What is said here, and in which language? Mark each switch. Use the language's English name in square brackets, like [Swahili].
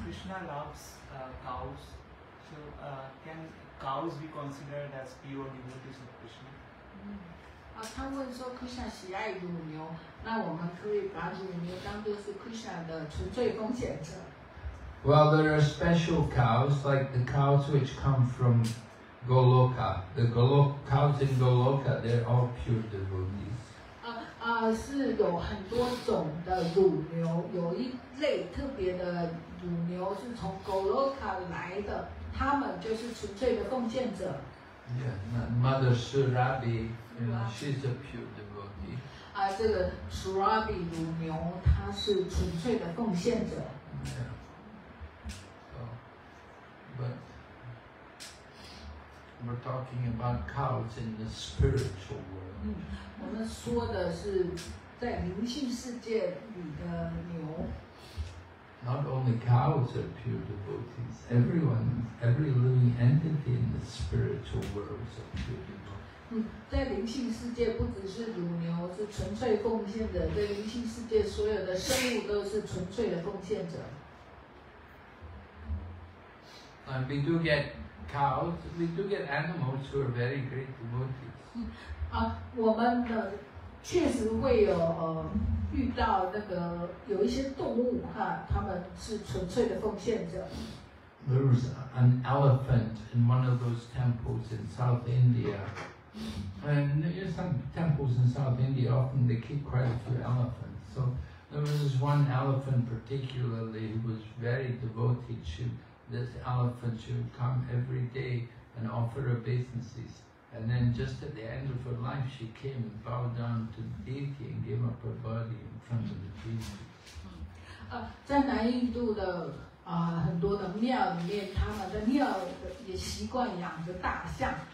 [English] Krishna loves cows. So, can cows be considered as pure devotees of Krishna? Well, there are special cows, like the cows which come from Goloka. The cows in Goloka, they're all pure devotees. [Chinese] 是有很多种的乳牛，有一类特别的乳牛是从 Goloka 来的。他们就是纯粹的奉献者。 [English] Yeah, Mother Surabhi, you know, she's a pure devotee. [Chinese] 啊，这个 Surabhi 乳牛，它是纯粹的奉献者。 [English] Yeah. So, but we're talking about cows in the spiritual world. [Chinese] 嗯，我们说的是在灵性世界里的牛。 [English] Not only cows are pure devotees. Everyone, every living entity in the spiritual world is a pure devotee. [Chinese] 嗯，在灵性世界不只是乳牛是纯粹奉献者，在灵性世界所有的生物都是纯粹的奉献者。 [English] And we do get cows. We do get animals who are very great devotees. 嗯， [Chinese] 啊，我们的确实会有遇到那个有一些动物哈，他们是纯粹的奉献者。 [English] There was an elephant in one of those temples in South India, and some temples in South India often they keep quite a few elephants. So there was this one elephant particularly who was very devoted to this elephant. She would come every day and offer obeisances. And then just at the end of her life, she came and bowed down to the deity and gave up her body in front of the deity. [Chinese] 在南印度的很多的庙里面，他们的庙也习惯养着大象。